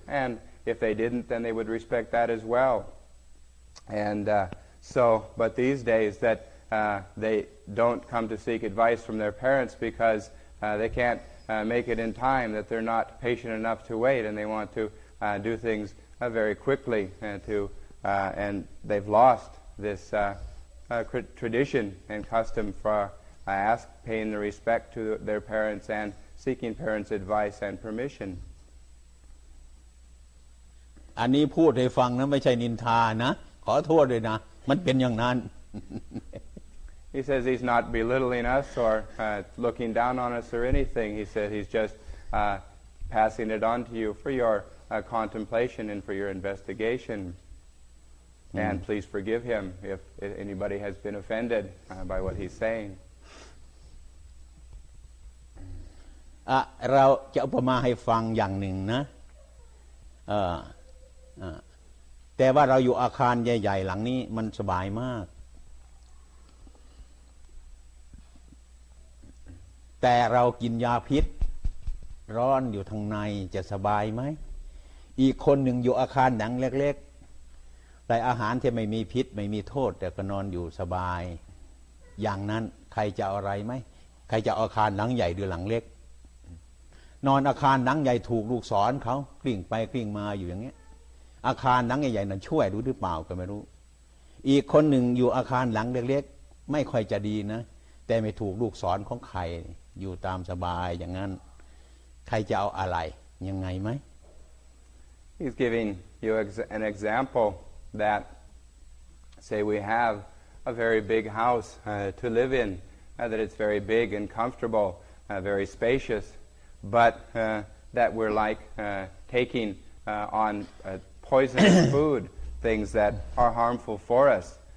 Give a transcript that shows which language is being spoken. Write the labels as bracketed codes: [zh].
[en] And if they didn't, then they would respect that as well. And but these days that they don't come to seek advice from their parents because they can't make it in time, that they're not patient enough to wait, and they want to do things very quickly. And they've lost this tradition and custom for paying the respect to their parents and seeking parents' advice and permission. [th] อันนี้พูดให้ฟังนะไม่ใช่นินทานะขอโทษด้วยนะมันเป็นอย่างนั้น [en] He says he's not belittling us or looking down on us or anything. He said he's just passing it on to you for your contemplation and for your investigation. And please forgive him if anybody has been offended by what he's saying. [th] เราจะอุปมาให้ฟังอย่างหนึ่งนะแต่ว่าเราอยู่อาคารใหญ่ๆหลังนี้มันสบายมากแต่เรากินยาพิษร้อนอยู่ทางในจะสบายไหมอีกคนหนึ่งอยู่อาคารหนังเล็กๆได้อาหารที่ไม่มีพิษไม่มีโทษแต่ก็นอนอยู่สบายอย่างนั้นใครจะอะไรไหมใครจะอาคารหลังใหญ่หรือหลังเล็ก นอนอาคารหนังใหญ่ถูกลูกศรเขากลิ้งไปกลิ้งมาอยู่อย่างนี้อาคารหนังใหญ่ๆนั้นช่วยรู้หรือเปล่าก็ไม่รู้อีกคนหนึ่งอยู่อาคารหลังเล็กๆไม่ค่อยจะดีนะแต่ไม่ถูกลูกศรของใครอยู่ตามสบายอย่างนั้นใครจะเอาอะไรยังไงไหม [en] He's giving you an example that say we have a very big house to live in that it's very big and comfortable very spaciousBut that we're like taking on poisonous food, things that are harmful for us.